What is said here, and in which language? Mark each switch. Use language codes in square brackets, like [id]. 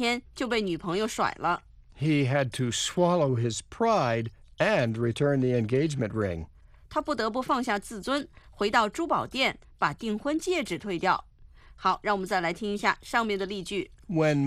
[zh] 我7岁的侄子求我跟他下棋，我同意陪他下一盘。我本来打算让他几个子儿，帮他建立点自信心。谁知道他只走了4步就将了我的军，太丢人了。我虽然不习惯忍气吞声的放下自尊，但还是不得不认输，并向他表示祝贺。其实这不算什么，我有个朋友准备求婚的前一天就被女朋友甩了。He [en] had to swallow his pride and return the engagement ring. [zh] 他不得不放下自尊，回到珠宝店把订婚戒指退掉。好，让我们再来听一下上面的例句。When